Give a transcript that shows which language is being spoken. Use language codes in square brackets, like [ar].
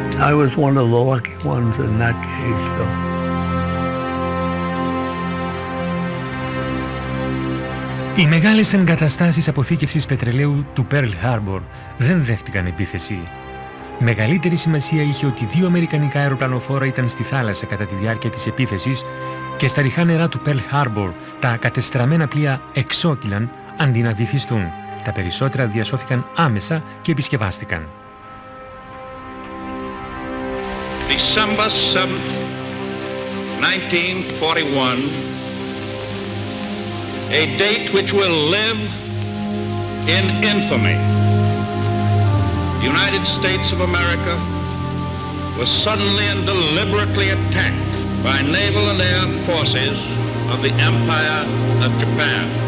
[en] I was one of the lucky ones in that case, so. [el] Οι μεγάλες εγκαταστάσεις αποθήκευσης πετρελαίου του Pearl Harbor δεν δέχτηκαν επίθεση. Μεγαλύτερη σημασία είχε ότι δύο αμερικανικά αεροπλανοφόρα ήταν στη θάλασσα κατά τη διάρκεια της επίθεσης και στα ρηχά νερά του Pearl Harbor τα κατεστραμμένα πλοία εξόκυλαν αντί να βυθιστούν. Τα περισσότερα διασώθηκαν άμεσα και επισκευάστηκαν. [en] December 7, 1941, a date which will live in infamy. The United States of America was suddenly and deliberately attacked by naval and air forces of the Empire of Japan.